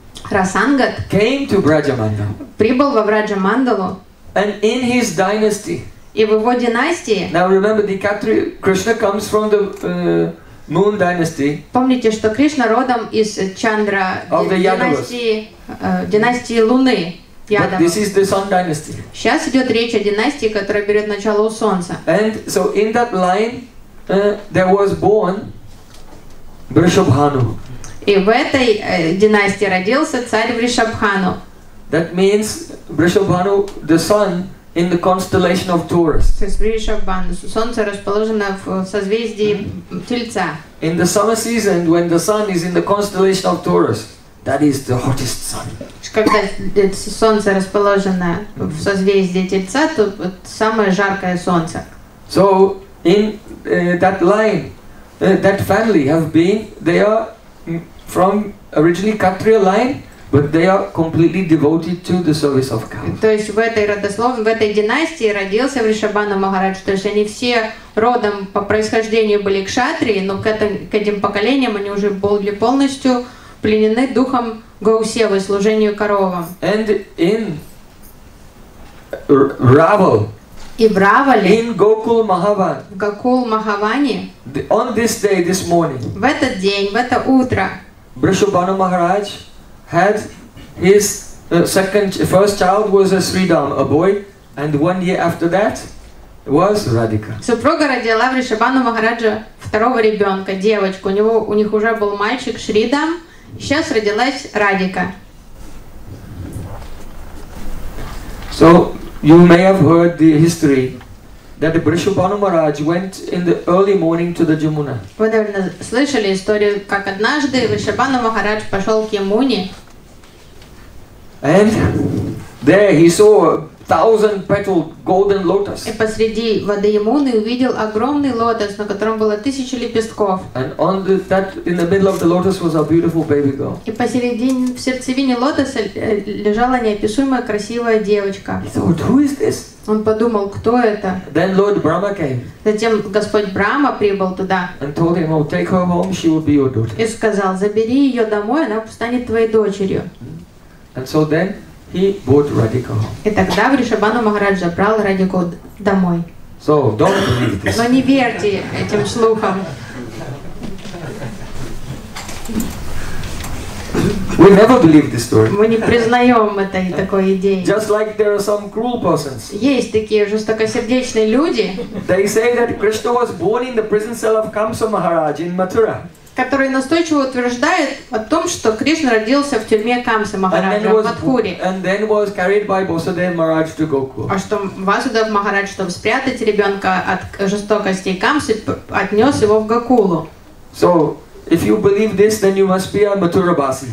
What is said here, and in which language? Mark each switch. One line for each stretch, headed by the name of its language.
English: Rasangat came to Vrajamandal.
Russian: Прибыл во Враджамандалу.
English: And in his dynasty.
Russian: И в его династии.
English: Now remember, the Kshatri Krishna comes from the moon dynasty.
Russian: Помните, что Кришна родом из Чандра династии Луны.
English: But this is the Sun dynasty.
Russian: Сейчас идет речь о династии, которая берет начало у солнца.
English: And so in that line, there was born Vrishabhanu.
Russian: И в этой династии родился царь Вришабхану.
English: That means Vrishabhanu, the sun. In the constellation of Taurus.
Russian: Солнце расположено в созвездии Тельца.
English: In the summer season, when the sun is in the constellation of Taurus, that is the hottest sun.
Russian: Когда солнце расположено в созвездии Тельца, то самое жаркое солнце.
English: So in that line, that family have been. They are from originally Kshatriya line. But they are completely devoted to the service of cows.
Russian: То есть в этой родословной, в этой династии родился Вришабхану Махарадж. То есть они все родом по происхождению были кшатрии, но к этим поколениям они уже были полностью пленены духом гоусевы, служению коровам.
English: And in Ravel.
Russian: И в Равале.
English: In Gokul Mahavan.
Russian: В Gokul Mahavani.
English: On this day, this morning.
Russian: В этот день, в это утро.
English: Вришабхану Махарадж had his first child was a Sridham, a boy, and 1 year after that was Radhika.
Russian: Супруга родила Вришабхану Махараджа второго ребенка, девочку. У них уже был мальчик Шридам, сейчас родилась Радика.
English: So you may have heard the history that the Vrishabhanu Maharaj went in the early morning to the Yamuna.
Russian: Вы, наверное, слышали историю, как однажды Вришабхану Махарадж пошел к Ямуне.
English: And there he saw a 1,000-petaled golden lotus.
Russian: И посреди воды Ямуны увидел огромный лотос, на котором было 1000 лепестков.
English: And on that, in the middle of the lotus, was a beautiful baby girl.
Russian: И посередине, в сердцевине лотоса лежала неописуемая красивая девочка.
English: He thought, who is this?
Russian: Он подумал, кто это?
English: Then Lord Brahma came.
Russian: Затем Господь Брахма прибыл туда.
English: And told him, oh, take her home, she will be your daughter.
Russian: И сказал, забери ее домой, она станет твоей дочерью.
English: And so then he brought Radhika home.
Russian: И тогда Вришабхану Махарадж забрал Радику домой.
English: So don't believe this.
Russian: Но не верьте этим слухам.
English: We never believe this story.
Russian: Мы не признаем этой такой идеи.
English: Just like there are some cruel persons.
Russian: Есть такие жестокосердечные люди.
English: They say that Krishna was born in the prison cell of Kamsa Maharaj in Mathura.
Russian: Который настойчиво утверждает о том, что Кришна родился в тюрьме Камсы Махараджа в Матхуре. А что Васудев Махарадж, чтобы спрятать ребенка от жестокости Камсы, отнес его в Гокулу.
English: So, If you believe this, then you must be a Mathurabasi.